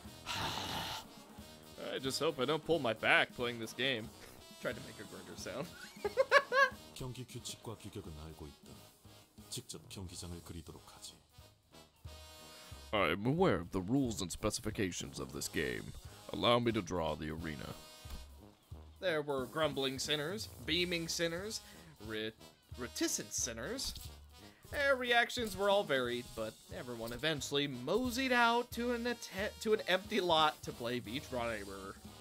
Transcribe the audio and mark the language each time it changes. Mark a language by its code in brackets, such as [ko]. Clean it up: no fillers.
[en] I just hope I don't pull my back playing this game. Tried to make a grunter sound. [ko] 경기 규칙과 규격은 알고 있다. 직접 경기장을 그리도록 하지. [en] I am aware of the rules and specifications of this game. Allow me to draw the arena. There were grumbling sinners, beaming sinners, reticent sinners. Their reactions were all varied, but everyone eventually moseyed out to an empty lot to play Beach Volleyball.